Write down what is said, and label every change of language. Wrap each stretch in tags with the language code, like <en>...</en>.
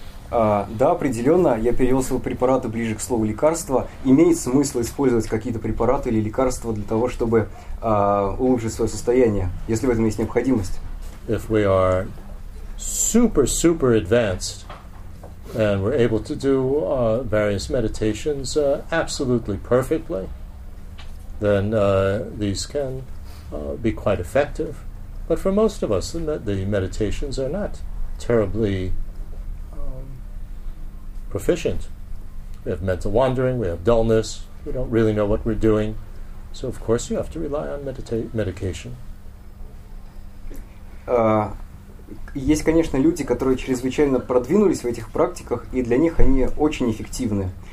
<ru>Да, определенно, я перевел свои препараты ближе к слову лекарства. Имеет смысл использовать какие-то препараты или лекарства для того, чтобы улучшить свое состояние, если в этом есть необходимость.</ru> <en>If we are super, super advanced and we're able to do various meditations absolutely perfectly, then these can be quite effective. But for most of us, the meditations are not terribly proficient. We have mental wandering, we have dullness, we don't really know what we're doing. So, of course, you have to rely on medication.</en> <ru>Есть, конечно, люди, которые чрезвычайно продвинулись в этих практиках, и для них они очень эффективны.</ru>